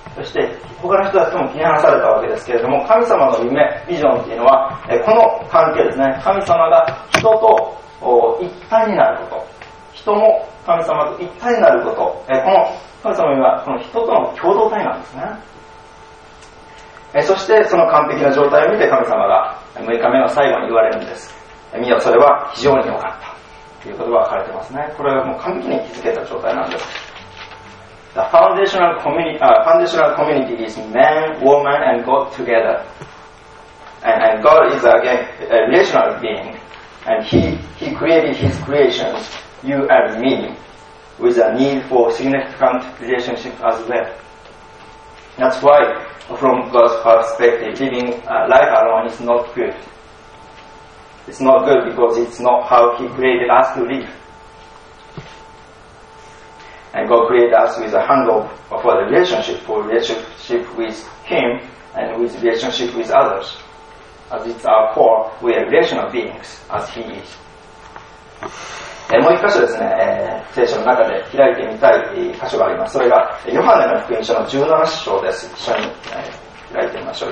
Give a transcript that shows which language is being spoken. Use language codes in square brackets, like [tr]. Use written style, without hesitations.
[ja] そして他の人たちも切り離されたわけですけれども、神様の夢ビジョンっていうのはこの関係ですね、神様が人と一体になること、人も神様と一体になること、この神様の夢はこの人との共同体なんですね。そしてその完璧な状態を見て神様が6日目の最後に言われるんです。見よ、それは非常に良かったという言葉が書かれてますね。これはもう完璧に築けた状態なんです。 [en] The foundational community, foundational community is man, woman and God together. And God is again a relational being. And he created his creations, you and me, with a need for significant relationship as well. That's why, from God's perspective, living life alone is not good. It's not good because it's not how He created us to live. And God created us with a handle for the relationship, for relationship with Him and with relationship with others. As it's our core, we are relational beings as He is. [ja] もう一箇所ですね、聖書の中で開いてみたい箇所があります。それがヨハネの福音書の17章です。一緒に、開いてみましょう。